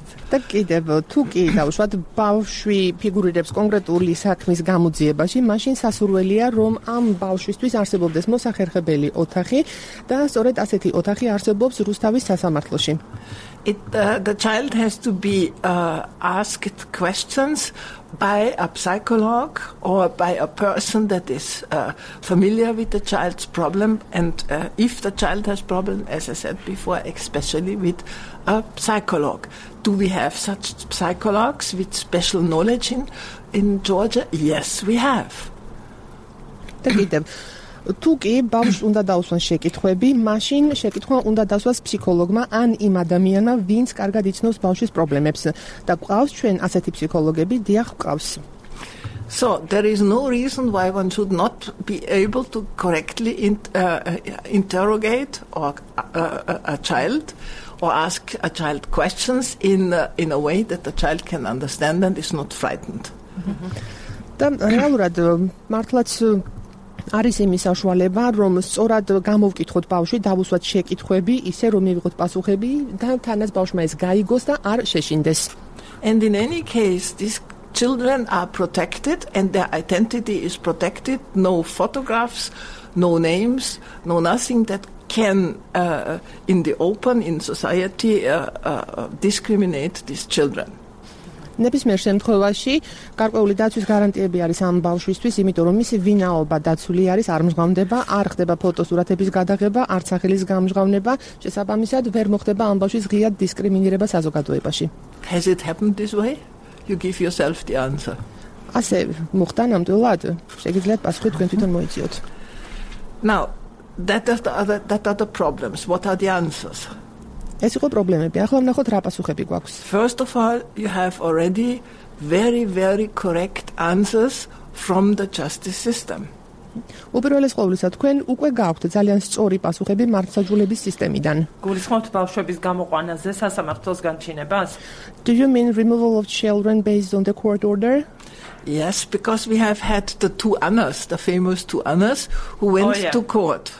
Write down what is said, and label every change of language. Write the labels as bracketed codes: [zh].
[ka] Так კიდევ თუ კი დავუშვათ ბავშვი ფიგურირებს კონკრეტული საქმის გამოძიებაში, მაშინ სასურველია რომ ამ ბავშვისთვის არსებობდეს მოსახერხებელი ოთახი და სწორედ ასეთი ოთახი არსებობს რუსთავის სასამართლოში. [en] The child has to be asked questions by a psychologue or by a person that is familiar with the child's problem and if the child has problem, as I said before, especially with a psychologue. Do we have such psychologues with special knowledge in Georgia? Yes, we have. Так и там. [ka] Ту კი ბავშვს უნდა დაუსვან შეკითხვები, მაშინ შეკითხვა უნდა დასვას ფსიქოლოგმა ან იმ ადამიანმა, ვინც კარგად იცნობს ბავშვის პრობლემებს. Და ყავს ჩვენ ასეთი ფსიქოლოგები, დიახ, ყავს. [en] So there is no reason why one should not be able to correctly interrogate a child or ask a child questions in a way that the child can understand and is not frightened. [ka] Და რეალურად მართლაც არის იმის საშუალება, რომ სწორად გამოვკითხოთ ბავშვი, დავუსვათ შეკითხვები, ისე რომ მივიღოთ პასუხები და თანაც ბავშვმა ეს გაიგოს და არ შეშინდეს. [en] And in any case, these children are protected and their identity is protected. No photographs, no names, no nothing that can in the open in society discriminate these children. [ka] ნებისმიერ შემთხვევაში გარკვეული დაცვის გარანტიები არის ამ ბავშვისთვის, იმიტომ რომ მისი ვინაობა დაცული არის, არ მსგავდება, არ ხდება ფოტოსურათების გადაღება, არც სახელის გამსგავნება, შესაბამისად ვერ მოხდება ამ ბავშვის ღია დისკრიმინირება საზოგადოებაში. [en] Has it happened this way? You give yourself the answer. [ka] ასე მოხდა ნამდვილად? შეგიძლიათ პასუხი თქვენ თვითონ მოიწიოთ. [en] Now, that are the problems. What are the answers? [ka] ეს იყო პრობლემები. ახლა ნახოთ რა პასუხები გვაქვს. [en] First of all, you have already very very correct answers from the justice system. [ka] უპირველეს ყოვლისა, თქვენ უკვე გაქვთ ძალიან სწორი პასუხები მართლმსაჯულების სისტემიდან. გულისხმობთ ბავშვების გამოყვანაზე სასამართლოს განჩინებას? [en] Do you mean removal of children based on the court order? Yes, because we have had the two Annas, the famous two Annas, who went to court.